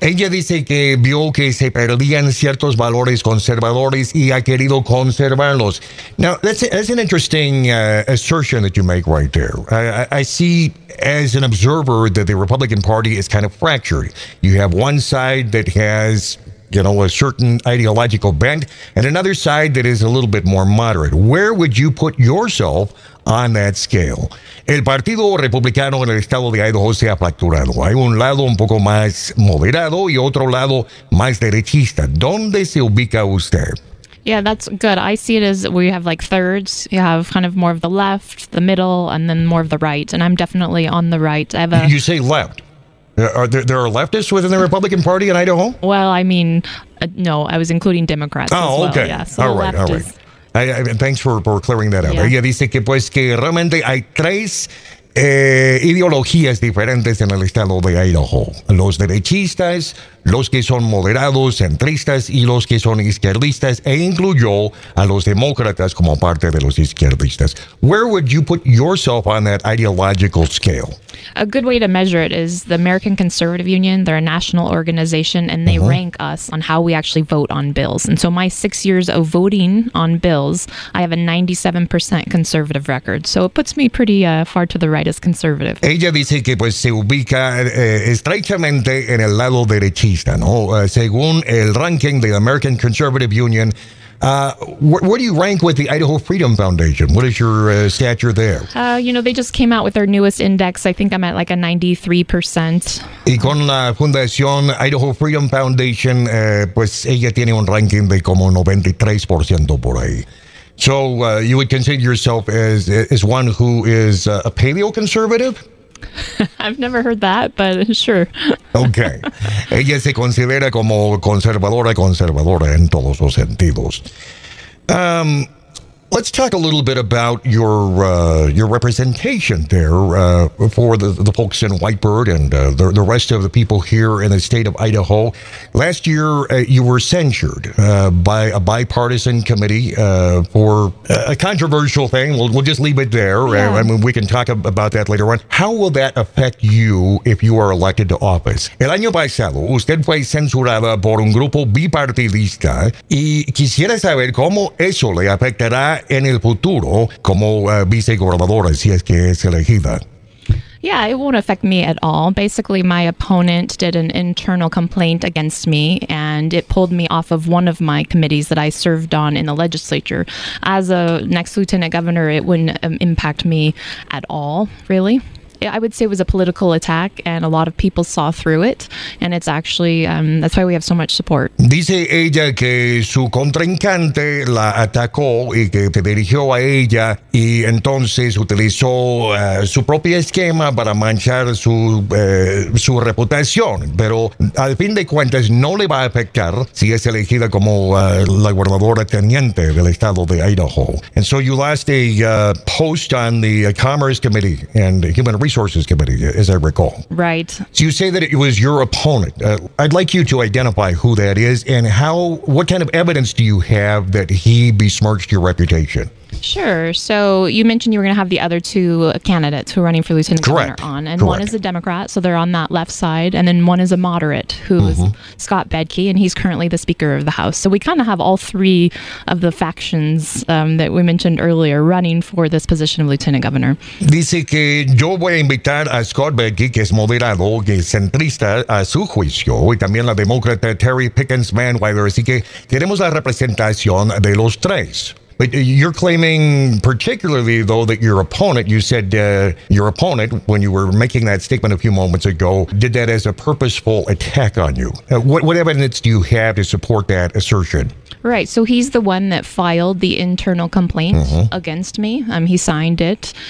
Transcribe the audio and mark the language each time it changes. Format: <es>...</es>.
<es>Ella dice que vio que se perdían ciertos valores conservadores y ha querido conservarlos.</es> <en>Now, that's an interesting assertion that you make right there. I see, as an observer, that the Republican Party is kind of fractured. You have one side that has, you know, a certain ideological bent, and another side that is a little bit more moderate. Where would you put yourself on that scale?</en> <es>El Partido Republicano en el estado de Idaho se ha fracturado. Hay un lado un poco más moderado y otro lado más derechista. ¿Dónde se ubica usted?</es> <en>Yeah, that's good. I see it as we have like thirds. You have kind of more of the left, the middle, and then more of the right. And I'm definitely on the right. I have a You say left. Are there are leftists within the Republican Party in Idaho? Well, I mean, no, I was including Democrats as well. Oh, okay. Yeah, so all right. Thanks for clearing that up. Yeah.</en> <es>Ella dice que pues que realmente hay tres ideologías diferentes en el estado de Idaho. Los derechistas, los que son moderados, centristas, y los que son izquierdistas, e incluyó a los demócratas como parte de los izquierdistas.</es> <en>Where would you put yourself on that ideological scale? A good way to measure it is the American Conservative Union. They're a national organization, and they rank us on how we actually vote on bills. And so my 6 years of voting on bills, I have a 97% conservative record. So it puts me pretty far to the right. right as conservative.</en> <es>Ella dice que pues se ubica estrechamente en el lado derechista, ¿no? Según el ranking de</es> <en>American Conservative Union, where do you rank with the Idaho Freedom Foundation? What is your stature there? You know, they just came out with their newest index. I think I'm at like a 93%.</en> <es>Y con la Fundación Idaho Freedom Foundation, pues ella tiene un ranking de como 93% por ahí.</es> <en>So you would consider yourself as one who is a paleoconservative? I've never heard that, but sure. Okay.</en> <es>Ella se considera como conservadora en todos los sentidos.</es> <en>Let's talk a little bit about your representation there for the folks in Whitebird and the rest of the people here in the state of Idaho. Last year, you were censured by a bipartisan committee for a controversial thing. We'll just leave it there. Yeah. I mean, we can talk about that later on. How will that affect you if you are elected to office?</en> <es>El año pasado, usted fue censurada por un grupo bipartidista y quisiera saber cómo eso le afectará en el futuro como vicegobernadora, si es que es elegida.</es> <en>Yeah, it won't affect me at all. Basically, my opponent did an internal complaint against me, and it pulled me off of one of my committees that I served on in the legislature. As a next lieutenant governor, it wouldn't impact me at all, really. I would say it was a political attack, and a lot of people saw through it, and it's actually, that's why we have so much support.</en> <es>Dice ella que su contrincante la atacó y que se dirigió a ella, y entonces utilizó su propio esquema para manchar su reputación, pero al fin de cuentas no le va a afectar si es elegida como la gobernadora teniente del estado de Idaho.</es> <en>And so you lost a post on the Commerce Committee and Human Resources Committee, as I recall. Right. So you say that it was your opponent. I'd like you to identify who that is and how. What kind of evidence do you have that he besmirched your reputation? Sure. So you mentioned you were going to have the other two candidates who are running for lieutenant governor on. And correct. One is a Democrat, so they're on that left side. And then one is a moderate, who is Scott Bedke, and he's currently the Speaker of the House. So we kind of have all three of the factions that we mentioned earlier running for this position of lieutenant governor.</en> <es>Dice que yo voy a invitar a Scott Bedke, que es moderado, que es centrista, a su juicio, y también la demócrata Terry Pickens-Manweiler. Así que tenemos la representación de los tres.</es> <en>But you're claiming particularly, though, that your opponent, you said your opponent, when you were making that statement a few moments ago, did that as a purposeful attack on you. What evidence do you have to support that assertion? Right. So he's the one that filed the internal complaint against me. He signed it.</en>